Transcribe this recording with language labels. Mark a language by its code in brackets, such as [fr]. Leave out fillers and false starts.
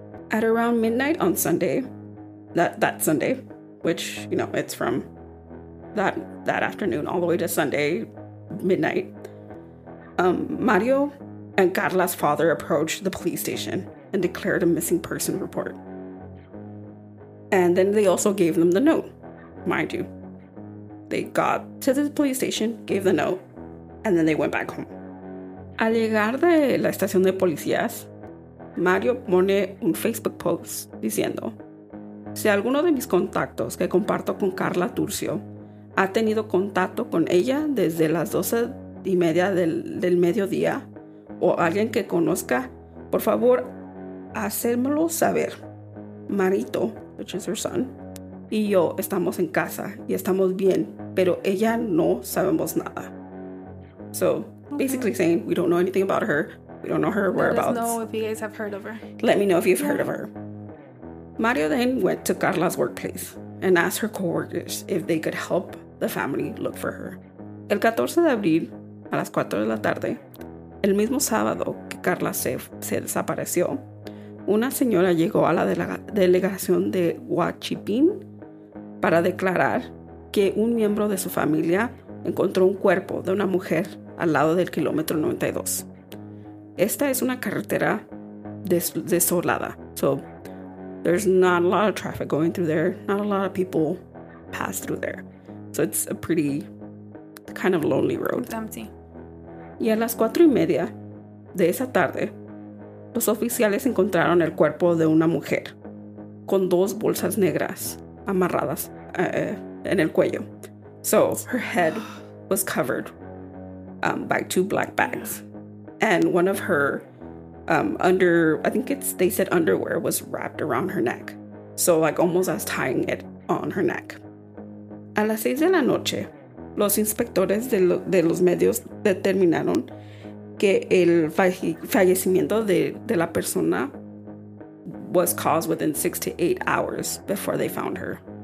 [en] At around midnight on Sunday, that Sunday, which, you know, it's from that afternoon all the way to Sunday midnight, Mario and Karla's father approached the police station and declared a missing person report. And then they also gave them the note, mind you. They got to the police station, gave the note, and then they went back home. [es] Al llegar de la estación de policías, Mario pone un Facebook post diciendo, "Si alguno de mis contactos que comparto con Karla Turcio ha tenido contacto con ella desde las 12 y media del mediodía, o alguien que conozca, por favor, hacérmelo saber. Marito, [en] which is her son, [es] y yo estamos en casa y estamos bien, pero ella no sabemos nada." [en] So, basically saying, we don't know anything about her. We don't know her whereabouts. Let us know if you guys have heard of her. Let me know if you've heard of her. Mario then went to Karla's workplace and asked her coworkers if they could help the family look for her. [es] El 14 de abril, a las 4 de la tarde, el mismo sábado que Karla se desapareció, una señora llegó a la delegación de Huachipín para declarar que un miembro de su familia encontró un cuerpo de una mujer al lado del kilómetro 92. Esta es una carretera desolada. [en] So, there's not a lot of traffic going through there. Not a lot of people pass through there. So, it's a pretty kind of lonely road. It's empty. [es] Y a las 4:30 de esa tarde, los oficiales encontraron el cuerpo de una mujer con dos bolsas negras amarradas en el cuello. [en] So, her head was covered by two black bags. And one of her underwear was wrapped around her neck. So, like, almost as tying it on her neck. [es] A las 6 de la noche, los inspectores de los medios determinaron que el fallecimiento de la persona [en] was caused within 6 to 8 hours before they found her.